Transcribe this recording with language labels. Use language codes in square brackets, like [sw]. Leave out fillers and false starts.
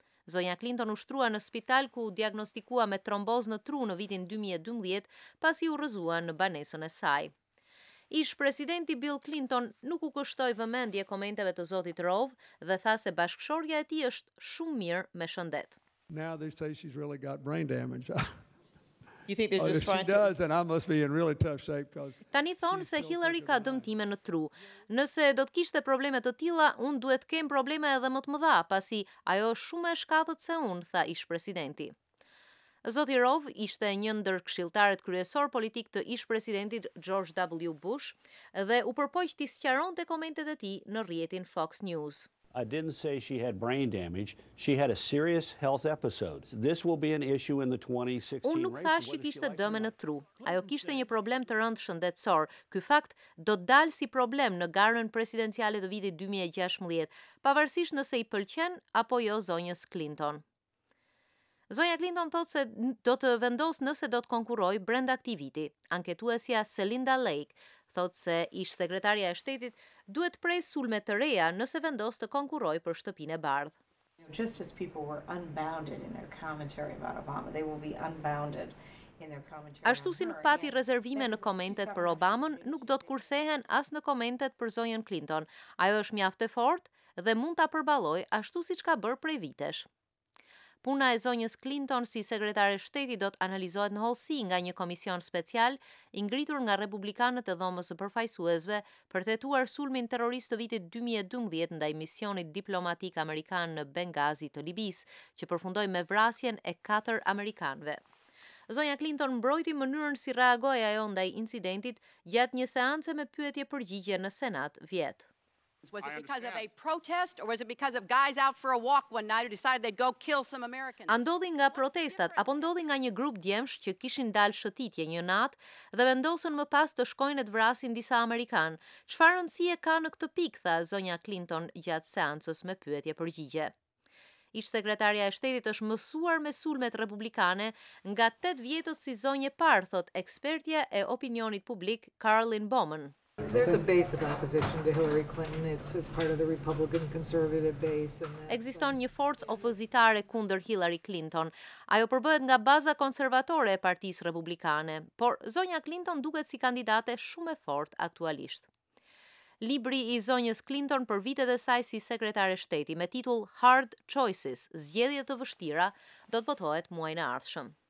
[sq] Zonja Clinton u shtrua në spital ku u diagnostikua me tromboz në tru në vitin 2012 pasi u rrëzua në banesën e saj. Ish presidenti Bill Clinton nuk u kushtoi vëmendje komenteve të zotit Rove dhe tha se bashkëshorja e tij është shumë mirë me shëndet. [en] Now they say she's really got brain damage. You think they're just trying to... She does, and I must be in really tough shape because... [sq] Tani thonë se Hillary ka dëmtime në tru. Nëse do të kishte probleme të tilla, unë duhet të kem probleme edhe më të mëdha, pasi ajo është shumë e shkatët se unë, tha ish presidenti. Zoti Rove ishte një ndër këshilltarët kryesor politik të ish presidentit George W. Bush dhe u përpoq t'i sqaronte komentet e tij në rrjetin Fox News. [en] I didn't say she had brain damage. She had a serious health episode. This will be an issue in the 2016 race. [sq] Unë nuk thash që kishte dëme në tru. Ajo kishte një problem të rëndë shëndetësor. Ky fakt do të dalë si problem në garën presidenciale të vitit 2016, pavarësisht nëse i pëlqen apo jo zonjës Clinton. Zonja Clinton thot se do të vendos nëse do të konkurroj brenda këtij viti. Anketuesja Selinda Lake thot se ish sekretarja e shtetit duhet prej sulme të reja nëse vendos të konkurroj për shtëpinë e bardhë. [en] Just as people were unbounded in their commentary about Obama, they will be unbounded in their commentary. [sq] Ashtu si nuk pati rezervime në komentet për Obamën, nuk do të kursehen as në komentet për zonjën Clinton. Ajo është mjaft e fortë dhe mund ta përballoj ashtu siç ka bërë prej vitesh. Puna e zonjës Clinton si sekretare shteti do të analizohet në holësi nga një komision special i ngritur nga republikanët e dhomës së përfaqësuesve për të hetuar sulmin terrorist të vitit 2012 ndaj misionit diplomatik amerikan në Benghazi të Libisë, që përfundoi me vrasjen e 4 amerikanëve. Zonja Clinton mbrojti mënyrën si reagoi ajo ndaj incidentit gjatë një seance me pyetje-përgjigje në Senat vjet. [en] Was it because of a protest or was it because of guys out for a walk one night who decided they'd go kill some Americans? [sq] A ndodhi nga protestat apo ndodhi nga një grup djemsh që kishin dalë shëtitje një natë dhe vendosën më pas të shkojnë e të vrasin disa amerikan? Çfarë rëndësie ka në këtë pikë, tha zonja Clinton gjatë seancës me pyetje-përgjigje. Ish sekretarja e shtetit është mësuar me sulmet republikane nga 8 vjetët si zonjë e parë, thot ekspertja e opinionit publik Carolyn Bowman. [en] There's a base of opposition to Hillary Clinton. It's part of the Republican conservative base. [sq] Ekziston një forcë opozitare kundër Hillary Clinton. Ajo përbëhet nga baza konservatore e Partisë Republikane, por zonja Clinton duket si kandidate shumë e fortë aktualisht. Libri i zonjës Clinton për vitet e saj si sekretare shteti me titull Hard Choices, zgjedhjet të vështira, do të botohet muajin e ardhshëm.